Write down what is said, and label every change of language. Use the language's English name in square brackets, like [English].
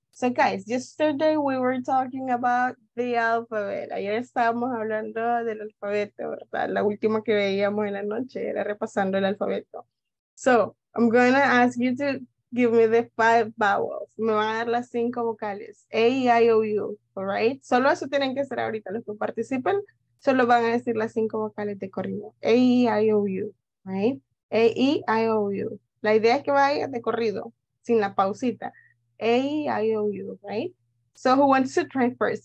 [English] So guys, yesterday we were talking about the alphabet. [Spanish] Ayer estábamos hablando del alfabeto, ¿verdad? La última que veíamos en la noche era repasando el alfabeto. [English] So I'm going to ask you to give me the 5 vowels. [Spanish] Me van a dar las 5 vocales. A, E, I, O, U. [English] All right. [Spanish] Solo eso tienen que hacer ahorita los que participen. Solo van a decir las 5 vocales de corrido. A, E, I, O, U. [English] Right. [Spanish] A, E, I, O, U. La idea es que vaya de corrido, sin la pausita. [English] A, E, I, O, U. Right. So who wants to try first?